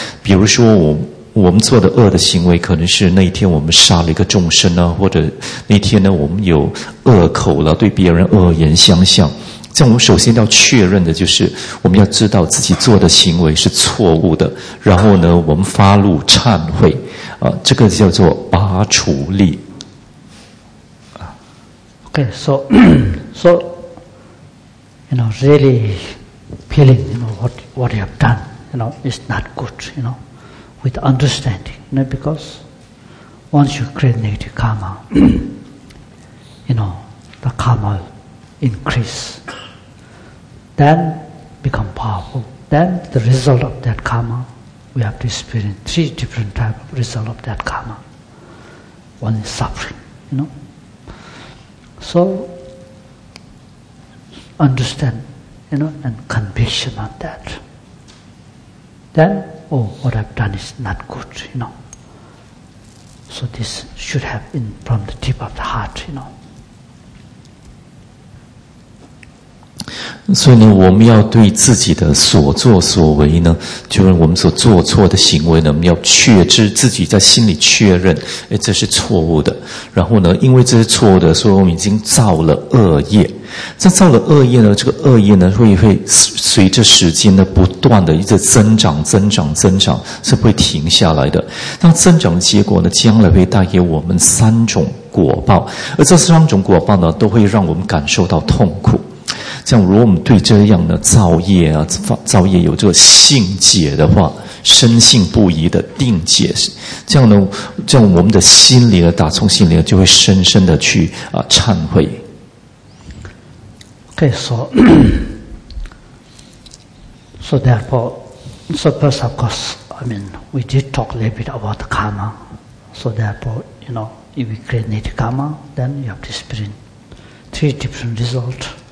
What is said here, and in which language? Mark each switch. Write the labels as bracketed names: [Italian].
[Chinese] 比如说我们做的恶的行为，可能是那一天我们杀了一个众生啊，或者那天呢我们有恶口了，对别人恶言相向。这样我们首先要确认的就是，我们要知道自己做的行为是错误的，然后呢，我们发怒忏悔，这个叫做拔除力。 [English] Okay, so, you know, really feeling, you know, what you have done, you know, is not good, you know, with understanding, you know, because once you create negative karma, you know, the karma increase, then become powerful, then the result of that karma, we have to experience three different types of result of that karma. One is suffering, you know. So, understand, you know, and conviction on that. Then, oh, what I've done is not good, you know. So this should have been from the deep of the heart, you know. [Chinese] 所以呢，我们要对自己的所作所为呢，就是我们所做错的行为呢，我们要确知自己在心里确认，哎，这是错误的。然后呢，因为这是错误的，所以我们已经造了恶业。这造了恶业呢，这个恶业呢，会随着时间呢，不断的一直增长、增长、增长，是不会停下来的。那增长的结果呢，将来会带给我们三种果报，而这三种果报呢，都会让我们感受到痛苦。像如果我们对这样的造业啊，造业有这个信解的话，深信不疑的定解，这样呢，这样我们的心里呢，打从心里就会深深的去忏悔。可以说 [English] ，so therefore, so first of course, I mean, we did talk a little bit about the karma. So therefore, you know, if we create negative karma, then you have to experience three different results.